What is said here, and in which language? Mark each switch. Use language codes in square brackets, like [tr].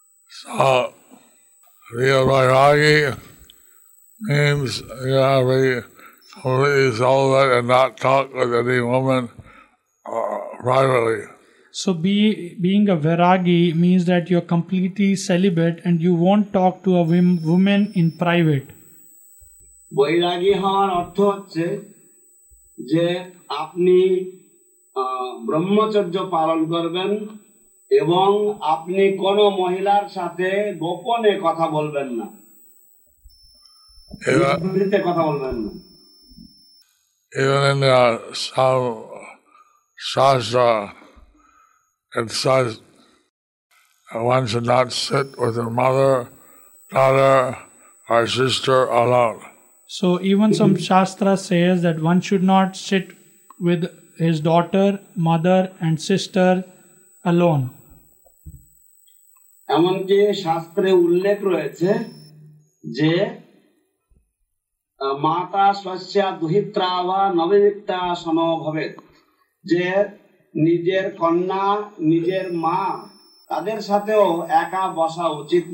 [en] So, Riya Vairagi means you have to be completely sober and not talk with any woman privately. So, being a Vairagi means that you are completely celibate and you won't talk to a woman in private. [bn] Vairagi haan artho hocche je apni brahmacharya palan korben এবং আপনি কোন মহিলার সাথে গোপনে কথা বলবেন না, নিজে কথা বলবেন না। [en] Even in some shastra, it says one should not sit with her mother, daughter, or sister alone. So even some shastra says that one should not sit with his daughter, mother, and sister alone. [bn] এমনকি শাস্ত্রে উল্লেখ রয়েছে যে [sa] মাতা স্বস্যা দুহিত্রা বা নবনিত্রা সমভবেত, [bn] যে নিজের কন্যা নিজের মা তাদের সাথেও একা বসা উচিত